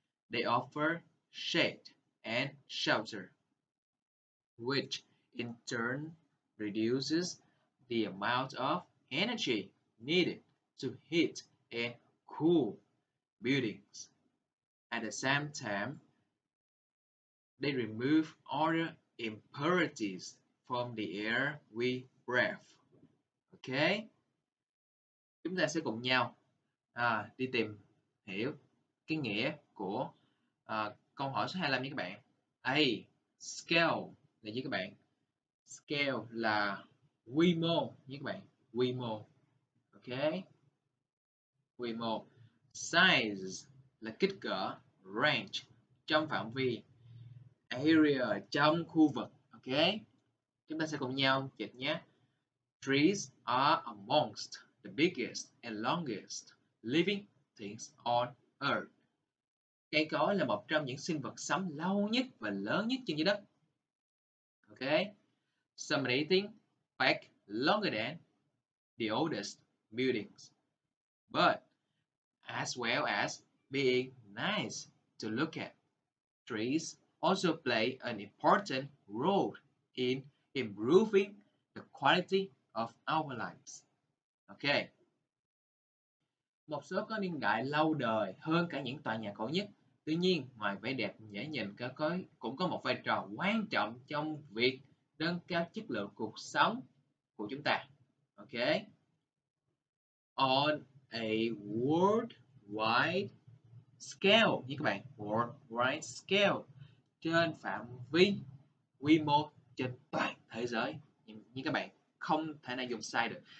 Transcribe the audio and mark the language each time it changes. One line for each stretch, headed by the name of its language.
English: They offer shade and shelter, which in turn reduces the amount of energy needed to heat and cool buildings. At the same time, they remove other impurities from the air we breathe.
Vietnamese: Ok, chúng ta sẽ cùng nhau đi tìm hiểu cái nghĩa của câu hỏi số 25 nha các bạn. A, scale là gì các bạn? Scale là quy mô nha các bạn, quy mô. Ok, quy mô. Size là kích cỡ, range trong phạm vi, area trong khu vực. Ok, chúng ta sẽ cùng nhau dịch nhé.
English: Trees are amongst the biggest and longest living things on earth.
Vietnamese: Cây cối là một trong những sinh vật sống lâu nhất và lớn nhất trên trái đất.
English: Ok. Some dating back longer than the oldest buildings. But as well as being nice to look at, trees also play an important role in improving the quality of our lives. Ok.
Vietnamese: Một số có niên đại lâu đời hơn cả những tòa nhà cổ nhất, Tuy nhiên, ngoài vẻ đẹp dễ nhìn, cũng có một vai trò quan trọng trong việc nâng cao chất lượng cuộc sống của chúng ta. Ok.
English: On a worldwide scale,
Vietnamese: như các bạn, worldwide scale, trên phạm vi quy mô trên toàn thế giới, như các bạn không thể nào dùng size được.